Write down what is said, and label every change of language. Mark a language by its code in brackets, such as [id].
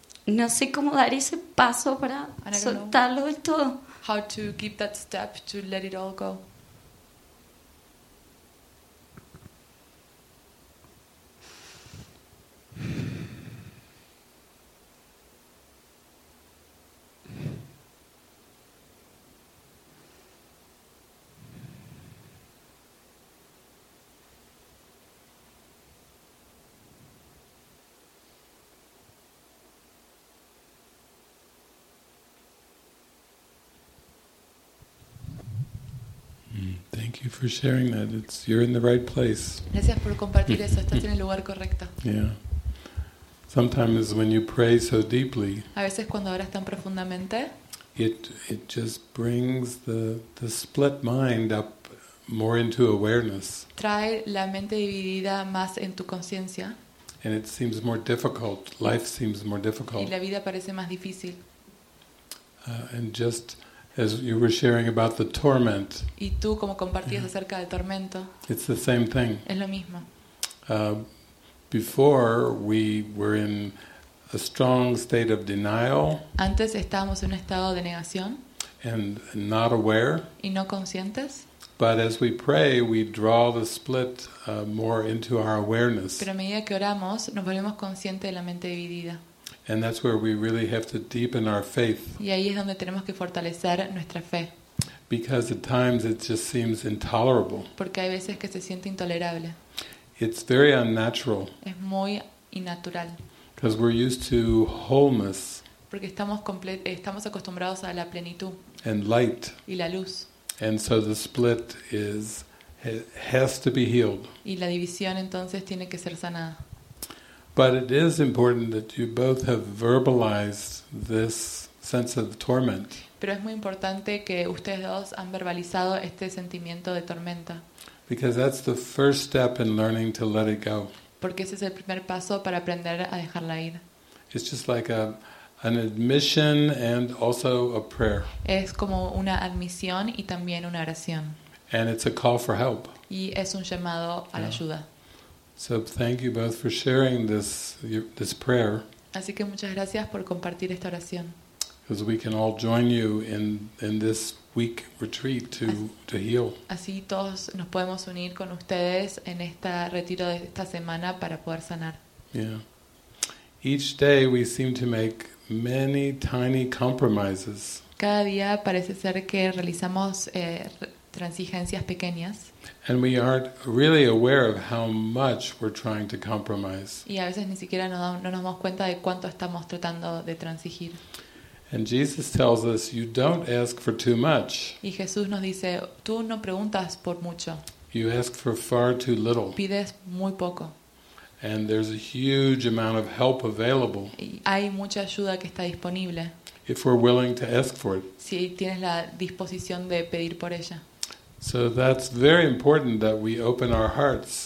[es] No sé cómo dar ese paso para soltarlo del todo. [en] how to keep that step to let it all go. Thank you for sharing that. It's, you're in the right place. [es] Gracias por compartir eso. Estás en el lugar correcto. [en] Yeah. Sometimes when you pray so deeply, [es] a veces cuando oras tan profundamente, [en] it just brings the split mind up more into awareness. [es] Trae la mente dividida más en tu conciencia. [en] And it seems more difficult. Life seems more difficult. [es] Y la vida parece más difícil. [en] And just as you were sharing about the torment, [es] y tú, como compartías acerca del tormento, [en] it's the same thing. [es] Es lo mismo. [en] Before we were in a strong state of denial. [es] Antes estábamos en un estado de negación. [en] And not aware. [es] Y no conscientes. [en] But as we pray, we draw the split more into our awareness. [es] Pero a medida que oramos, nos volvemos conscientes de la mente dividida. [en] And that's where we really have to deepen our faith. [es] Y ahí es donde tenemos que fortalecer nuestra fe. [en] Because at times it just seems intolerable. [es] Porque hay veces que se siente intolerable. [en] It's very unnatural. [es] Es muy innatural. [en] Because we're used to wholeness. [es] Porque estamos acostumbrados a la plenitud. [en] And light. [es] Y la luz. [en] And so the split is has to be healed. [es] Y la división entonces tiene que ser sanada. [en] But it is important that you both have verbalized this sense of torment. [es] Pero es muy importante que ustedes dos han verbalizado este sentimiento de tormenta. [en] Because that's the first step in learning to let it go. [es] Porque ese es el primer paso para aprender a dejarla ir. [en] It's just like an admission and also a prayer. [es] Es como una admisión y también una oración. [en] And it's a call for help. [es] Y es un llamado a la ayuda. [en] So thank you both for sharing this prayer. [es] Así que muchas gracias por compartir esta oración. [en] Because we can all join you in this week retreat to heal. [es] Así todos nos podemos unir con ustedes en este retiro de esta semana para poder sanar. [en] Yeah. Each day we seem to make many tiny compromises. [es] Cada día parece ser que realizamos transigencias pequeñas. [en] And we aren't really aware of how much we're trying to compromise. [es] Y a veces ni siquiera no nos damos cuenta de cuánto estamos tratando de transigir. [en] And Jesus tells us, you don't ask for too much. [es] Y Jesús nos dice, tú no preguntas por mucho. [en] You ask for far too little. [es] Pides muy poco. [en] And there's a huge amount of help available. [es] Y hay mucha ayuda que está disponible. [en] If we're willing to ask for it. [es] Si tienes la disposición de pedir por ella. [en] So that's very important that we open our hearts.